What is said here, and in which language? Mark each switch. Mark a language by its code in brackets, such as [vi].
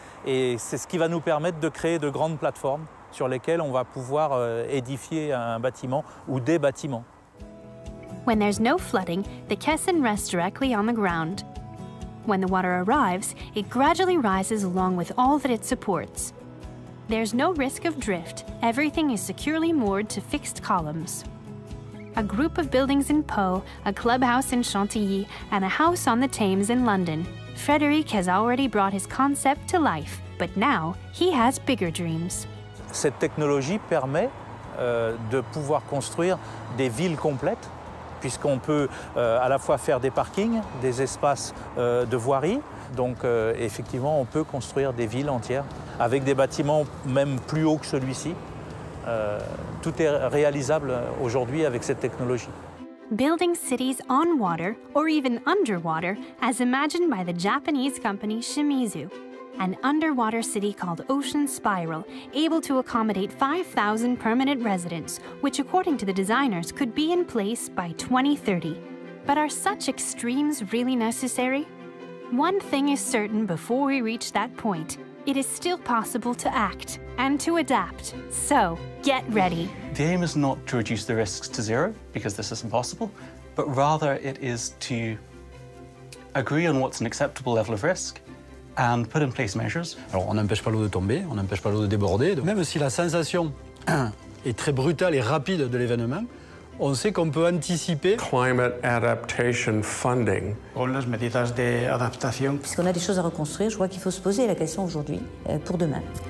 [en] Et c'est ce qui va nous permettre de créer de grandes plateformes sur lesquelles on va pouvoir édifier un bâtiment ou des bâtiments. When there's no flooding, the caisson rests directly on the ground. When the water arrives, it gradually rises along with all that it supports. There's no risk of drift. Everything is securely moored to fixed columns. A group of buildings in Pau, a clubhouse in Chantilly, and a house on the Thames in London. Frédéric has already brought his concept to life, but now he has bigger dreams. [fr] Cette technologie permet de pouvoir construire des villes complètes, puisqu'on peut à la fois faire des parkings, des espaces de voirie. Donc effectivement, on peut construire des villes entières avec des bâtiments même plus hauts que celui-ci. Tout est réalisable aujourd'hui avec cette technologie. [en] building cities on water or even underwater, as imagined by the Japanese company Shimizu, an underwater city called Ocean Spiral, able to accommodate 5,000 permanent residents, which according to the designers could be in place by 2030. But are such extremes really necessary? One thing is certain before we reach that point. It is still possible to act and to adapt. So, get ready. The aim is not to reduce the risks to zero, because this is impossible, but rather it is to agree on what's an acceptable level of risk and put in place measures. [fr] Alors, on n'empêche pas l'eau de tomber, on n'empêche pas l'eau de déborder. Donc, même si la sensation est très brutale et rapide de l'événement, on sait qu'on peut anticiper. [en] Climate adaptation funding. [es] Con las medidas de adaptación. [fr] Parce qu'on a des choses à reconstruire, je crois qu'il faut se poser la question aujourd'hui pour demain.